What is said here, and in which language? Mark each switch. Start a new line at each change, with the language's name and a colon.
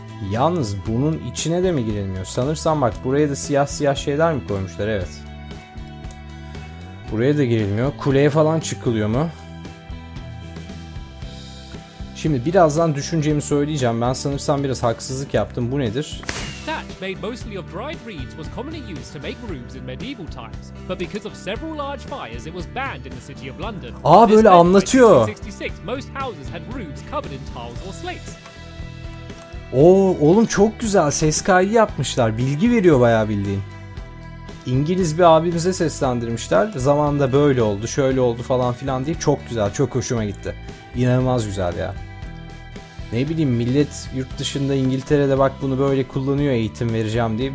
Turkish: Yalnız bunun içine de mi girilmiyor? Sanırsam bak, buraya da siyah siyah şeyler mi koymuşlar? Evet. Buraya da girilmiyor. Kuleye falan çıkılıyor mu? Şimdi birazdan düşüncemi söyleyeceğim. Ben sanırsam biraz haksızlık yaptım. Bu nedir?
English: Made mostly of dried reeds was commonly used to make rooms in medieval times, but because of several large fires it was banned in the city of London.
Turkish: Aa, böyle anlatıyor.
English: 66, most houses had roofs covered in tiles or slates.
Turkish: Oo oğlum, çok güzel ses kaydı yapmışlar. Bilgi veriyor bayağı bildiğin. İngiliz bir abimize seslendirmişler. Zamanında böyle oldu, şöyle oldu falan filan diye. Çok güzel, çok hoşuma gitti. İnanılmaz güzel ya. Ne bileyim, millet yurt dışında, İngiltere'de bak bunu böyle kullanıyor eğitim vereceğim diye.